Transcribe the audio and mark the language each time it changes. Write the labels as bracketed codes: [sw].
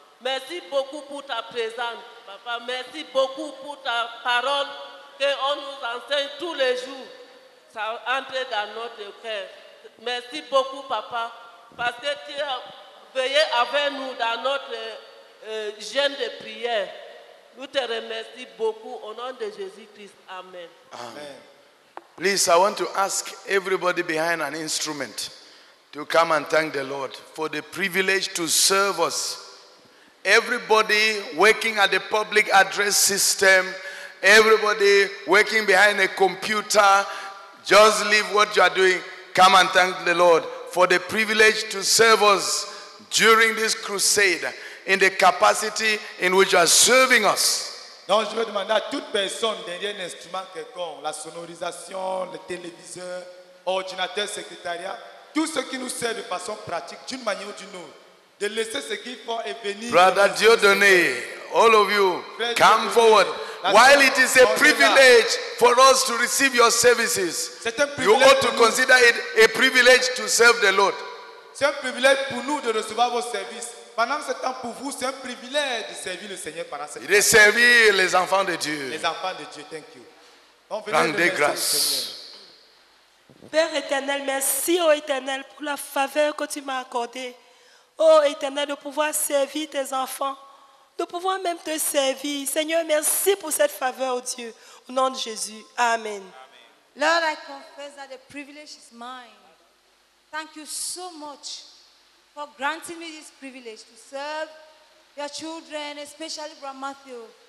[fr] Merci beaucoup pour ta présence, Papa. Merci beaucoup pour ta parole qu'on nous enseigne tous les jours. Ça entre dans notre cœur. Merci beaucoup, Papa, parce que tu as veillé avec nous dans notre jeûne de prière. Nous te remercions beaucoup au nom de Jésus-Christ. Amen. Amen. [en] Please, I want to ask everybody behind an instrument to come and thank the Lord for the privilege to serve us Everybody working at the public address system, everybody working behind a computer, just leave what you are doing. Come and thank the Lord for the privilege to serve us during this crusade in the capacity in which you are serving us. [fr] Donc je veux demander à toute personne derrière un instrument quelconque, la sonorisation, le téléviseur, ordinateur, secrétariat, tous ceux qui nous servent de façon pratique, d'une manière ou d'une autre, de laisser ce qu'il faut et venir. [en] Brother Dieudonné, all of you, come forward. While it is a privilege for us to receive your services, you ought to consider it a privilege to serve the Lord. [fr] C'est un privilège pour nous de recevoir vos services. Pendant ce temps, pour vous, c'est un privilège de servir le Seigneur pendant ce temps. De servir les enfants de Dieu. Les enfants de Dieu, [en] thank you. [fr] Rendez grâce. Père éternel, merci, ô éternel, pour la faveur que tu m'as accordée. Ô éternel, de pouvoir servir tes enfants, de pouvoir même te servir. Seigneur, merci pour cette faveur, ô Dieu. Au nom de Jésus, amen. [en] Lord, I confess that the privilege is mine. Thank you so much for granting me this privilege to serve your children, especially Brother Mathew.